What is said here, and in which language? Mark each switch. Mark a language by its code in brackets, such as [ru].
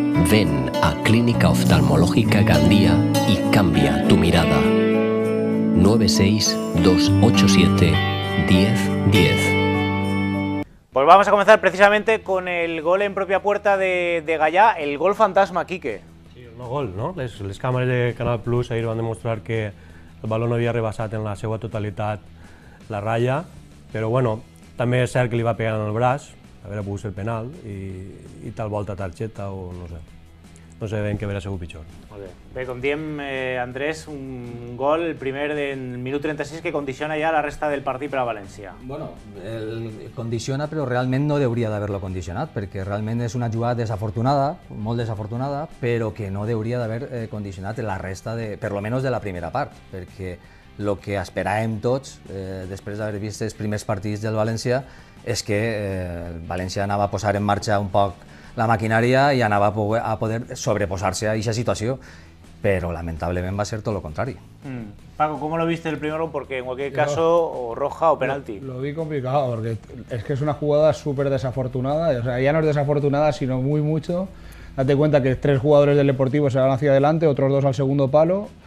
[es] Ven a Clínica Oftalmológica Gandía y cambia tu mirada. 96-287-1010. Pues vamos a comenzar precisamente con el gol en propia puerta de Gallá, el gol fantasma, Quique. No gol, ¿no? [ca] Les cámaras de Canal Plus ahir van demostrar que el balón havia rebassat en la seva totalitat la ratlla, però bueno, també és cert que li va pegar en el braç, haver pogut ser penal, i tal volta targeta o no sé. No sé ben què haurà sigut pitjor. Bé, com diem, Andrés, un gol, el primer en el minut 36, que condiciona ja la resta del partit per a València. Bueno, el condiciona, però realment no hauria d'haver-lo condicionat, perquè realment és una jugada desafortunada, molt desafortunada, però que no hauria d'haver condicionat la resta, per almenys de la primera part, perquè el que esperàvem tots, després d'haver vist els primers partits del València, és que València anava a posar en marxa un poc la maquinaria i anava a poder sobreposar-se a aquesta situació. [es] Pero lamentablemente va a ser todo lo contrario. Paco, ¿cómo lo viste el primero? Porque en cualquier caso, o roja o penalti. Lo vi complicado, porque es que es una jugada súper desafortunada. O sea, ya no es desafortunada, sino muy mucho. Date cuenta que tres jugadores del Deportivo se van hacia adelante, otros dos al segundo palo.